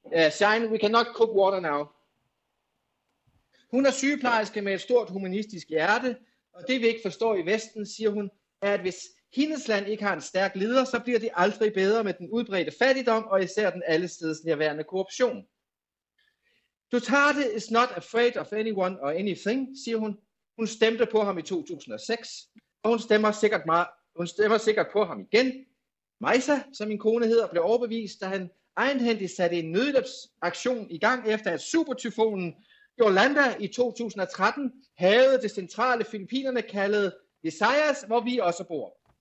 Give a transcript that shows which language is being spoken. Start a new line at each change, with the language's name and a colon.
English: Shine, we cannot cook water now."
Danish: Hun er sygeplejerske med et stort humanistisk hjerte, og det vi ikke forstår i Vesten, siger hun, er, at hvis hendes land ikke har en stærk leder, så bliver det aldrig bedre med den udbredte fattigdom og især den allesteds nærværende korruption.
English: Duterte is not afraid of anyone or anything,
Danish: siger hun. Hun stemte på ham i 2006, og hun stemmer sikkert på ham igen. Maisa, som min kone hedder, blev overbevist, da han egenhændigt satte en nødløbsaktion i gang efter, at supertyfonen Yolanda i 2013 havde det centrale Filippinerne kaldet Visayas, hvor vi også bor.